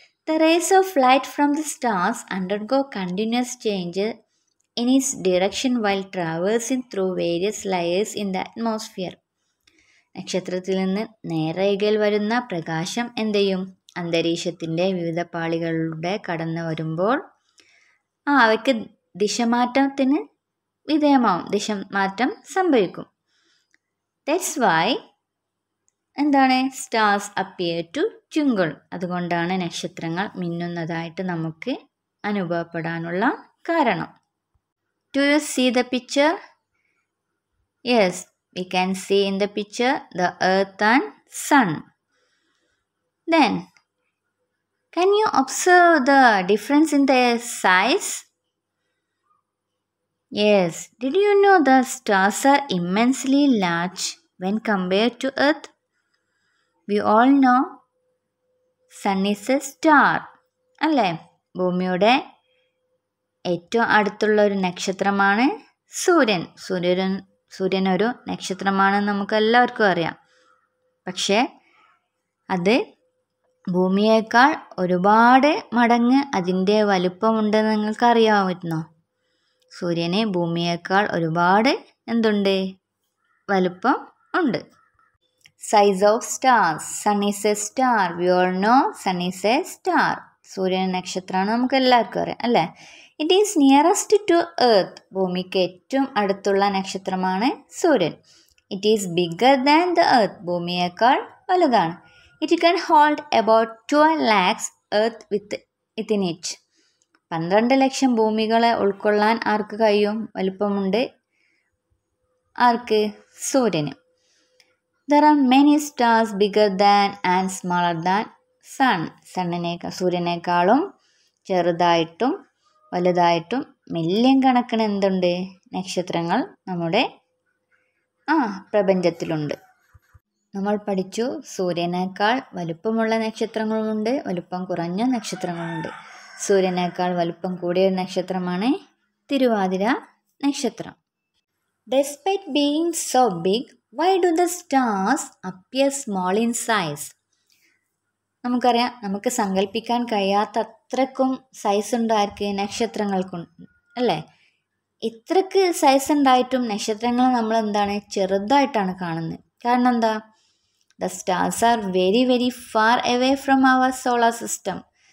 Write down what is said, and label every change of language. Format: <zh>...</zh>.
<en>The rays of light from the stars undergo continuous change in its direction while traversing through various layers in the atmosphere.</en> <ml>നക്ഷത്രത്തിൽ നിന്ന് നേരേഖയിൽ വരുന്ന പ്രകാശം എന്ത് ചെയ്യും? അന്തരീക്ഷത്തിൻ്റെ വിവിധ പാളികളിലൂടെ കടന്നു വരുമ്പോൾ അവയ്ക്ക് ദിശമാറ്റത്തിന് വിധേയമാവും, ദിശമാറ്റം സംഭവിക്കും.</ml> <en>That's why, എന്താണ്, stars appear to twinkle.</en> <ml>അതുകൊണ്ടാണ് നക്ഷത്രങ്ങൾ മിന്നുന്നതായിട്ട് നമുക്ക് അനുഭവപ്പെടാനുള്ള കാരണം.</ml> <en>Do you see the picture? Yes, we can see in the picture the earth and sun. Then, can you observe the difference in their size? Yes, did you know the stars are immensely large when compared to Earth? We all know Sun is a star.</en> <ml>അല്ലേ, ഭൂമിയുടെ ഏറ്റവും അടുത്തുള്ള ഒരു നക്ഷത്രമാണ് സൂര്യൻ. സൂര്യനൊരു നക്ഷത്രമാണെന്ന് നമുക്കെല്ലാവർക്കും അറിയാം. പക്ഷേ അത് ഭൂമിയേക്കാൾ ഒരുപാട് മടങ്ങ് അതിൻ്റെ വലുപ്പമുണ്ടെന്ന് നിങ്ങൾക്ക് അറിയാമായിരുന്നോ? സൂര്യനെ ഭൂമിയേക്കാൾ ഒരുപാട് എന്തുണ്ട്, വലുപ്പം ഉണ്ട്.</ml> <en>Size of stars, sun is a star, we all know sun is a star.</en> <ml>സൂര്യൻ നക്ഷത്രമാണ് നമുക്ക് എല്ലാവർക്കും അറിയാം അല്ലേ.</ml> <en>it is nearest to earth,</en> <ml>ഭൂമിക്ക് ഏറ്റവും അടുത്തുള്ള നക്ഷത്രമാണ് സൂര്യൻ.</ml> <en>it is bigger than the earth,</en> <ml>ഭൂമിയേക്കാൾ വലുതാണ്.</ml> <en>It can hold about 12 lakhs earth within it.</en> <ml>12 lakhs ഭൂമികളെ ഉൾക്കൊള്ളാൻ ആർക്ക് കഴിയും, വലുപ്പമുണ്ട് ആർക്ക്, സൂര്യന്.</ml> <en>There are many stars bigger than and smaller than sun.</en> <ml>സൂര്യനേക്കാളും ചെറുതായിട്ടും വലുതായിട്ടും million കണക്കിന് എന്തുണ്ട് നക്ഷത്രങ്ങൾ നമ്മുടെ പ്രപഞ്ചത്തിലുണ്ട്. നമ്മൾ പഠിച്ചു സൂര്യനേക്കാൾ വലുപ്പമുള്ള നക്ഷത്രങ്ങളുമുണ്ട്, വലുപ്പം കുറഞ്ഞ നക്ഷത്രങ്ങളുമുണ്ട്. സൂര്യനേക്കാൾ വലുപ്പം കൂടിയ ഒരു നക്ഷത്രമാണ് തിരുവാതിര നക്ഷത്രം.</ml> <en>Despite being so big, why do the stars appear small in size?</en> <ml>നമുക്കറിയാം, നമുക്ക് സങ്കല്പിക്കാൻ കഴിയാത്ത അത്രക്കും സൈസ് ഉണ്ടായിരിക്ക നക്ഷത്രങ്ങൾക്കും അല്ലേ. ഇത്രക്ക് സൈസ് ഉണ്ടായിട്ടും നക്ഷത്രങ്ങളെ നമ്മൾ എന്താണ് ചെറുതായിട്ടാണ് കാണുന്നത്. കാരണം എന്താ?</ml> <en>The stars are very very far away from our solar system.</en>